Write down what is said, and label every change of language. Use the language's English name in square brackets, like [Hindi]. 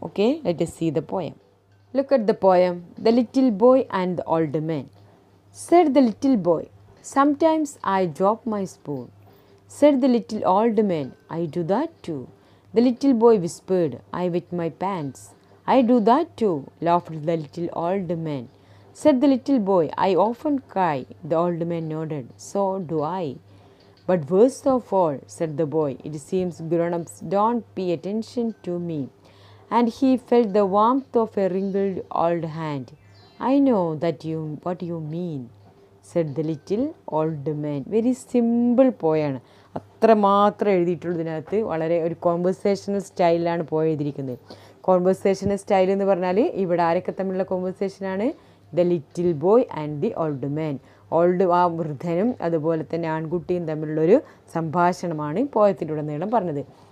[English] Okay, let's see the poem. Look at the poem, the little boy and the old man. Said the little boy, sometimes I drop my spoon. Said the little old man, I do that too. The little boy whispered, I wet my pants. I do that too, laughed the little old man. Said the little boy, I often cry, the old man nodded, so do I. But worst of all, said the boy, it seems grown-ups don't pay attention to me. And he felt the warmth of a wrinkled old hand. I know that you, what you mean, said the little old man. Very simple poem. [Malayalam] അത്രമാത്രം എഴുതിയിട്ടുള്ളതിനകത്ത് വളരെ ഒരു conversational സ്റ്റൈലിലാണ് പോയി എഴുതിയിരിക്കുന്നത്. Conversational style എന്ന് പറഞ്ഞാൽ ഇവിടെ ആരൊക്കെ തമ്മിലുള്ള കോൺവെർസേഷനാണ്? [English] The little boy and the old man. [Malayalam] Old ആ വൃദ്ധനും അതുപോലെ തന്നെ ആൺകുട്ടിയും തമ്മിലുള്ളൊരു സംഭാഷണമാണ് പോയത്തിലുടനീളം പറഞ്ഞത്.